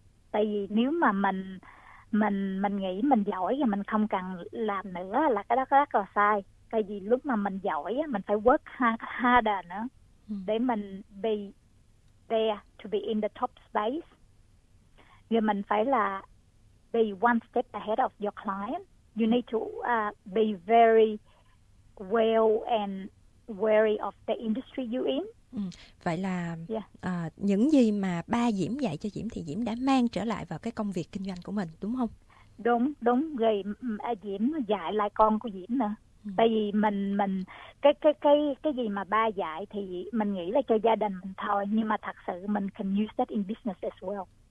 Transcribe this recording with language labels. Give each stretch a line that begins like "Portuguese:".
Vietnamese: Tại vì nếu mà mình nghĩ mình giỏi và mình không cần làm nữa là cái đó rất là sai. Tại vì lúc mà mình giỏi á, mình phải
English: work harder
Vietnamese: nữa để mình
English: be there, to be in the top space.
Vietnamese: Rồi mình phải là
English: be one step ahead of your client. You need to be very well and wary of the industry you in.
Vietnamese: Vậy là những gì mà ba Diễm dạy cho Diễm thì Diễm đã mang trở lại vào cái công việc kinh doanh của mình, đúng không? Đúng, rồi Diễm dạy lại con của Diễm nữa. Tại vì mình cái gì mà ba dạy thì mình nghĩ là cho gia đình mình thôi, nhưng mà thật sự mình
English: can use that in business as well.